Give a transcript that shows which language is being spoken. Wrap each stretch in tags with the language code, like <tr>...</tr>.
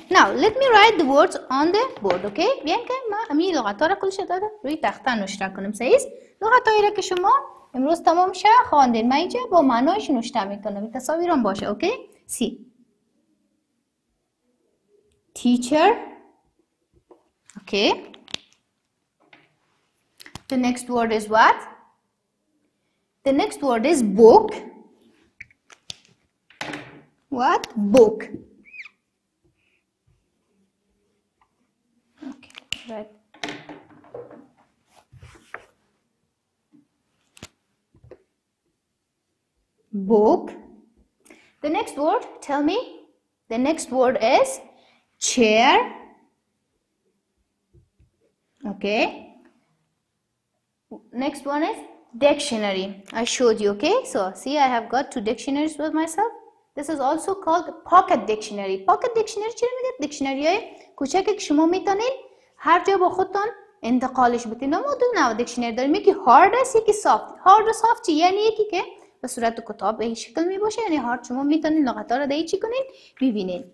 <en>Now, let me write the words on the board. Okay?</en> <fa>بیان که ما امی لغت ها را کلش داده روی تخته نشته کنیم. صحیح است؟ لغت هایی را که شما امروز تمام شد خواندین. من اینجا با معنایش نشته میکنم. تصاویر هم باشه.</fa> <en>Okay? See. Teacher. Okay. The next word is what? The next word is book. What? Book. Okay, right. Book. The next word, tell me. The next word is chair. Okay. Next one is dictionary. I showed you, okay? So, see, I have got two dictionaries with myself. This is also called pocket dictionary. Pocket dictionary,</en> <fa>چی رو میگه؟ دیکشنری های کوچکی که شما میتونید هر جا با خودتون انتقالش بدین. اما دو نوع دیکشنری داریم. یکی hard است، یکی soft. Hard و soft چی؟ یعنی یکی که به صورت کتاب به این شکل میباشه. یعنی hard شما میتونید لغت ها رو دیگه چی کنین؟ ببینین.</fa>